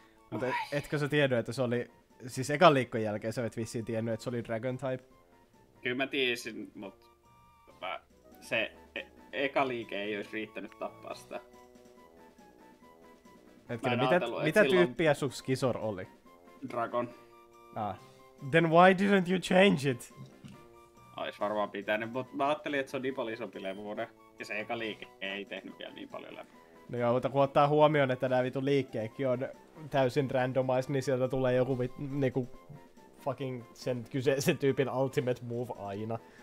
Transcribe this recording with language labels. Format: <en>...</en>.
<fi>Mut etkö sä tiennyt, että se oli... Siis ekan liikkon jälkeen sä et vissiin tiennyt, että se oli Dragon Type? Kyllä mä tiesin, mut... Se eka liike ei olisi riittänyt tappaa sitä. Hetkinen, mitä tyyppiä sun Skizor oli? Dragon.</fi> <en>Then why didn't you change it?</en> <fi>Ois varmaan pitänyt, mut mä ajattelin, että se on niin paljon isompi levuuden. Ja se eka liike ei tehnyt vielä niin paljon levuuden. No joo, mutta kun ottaa huomioon, että nämä vitun liikkeekin on täysin randomized, niin sieltä tulee joku niinku fucking sen kyseisen tyypin ultimate move aina.</fi>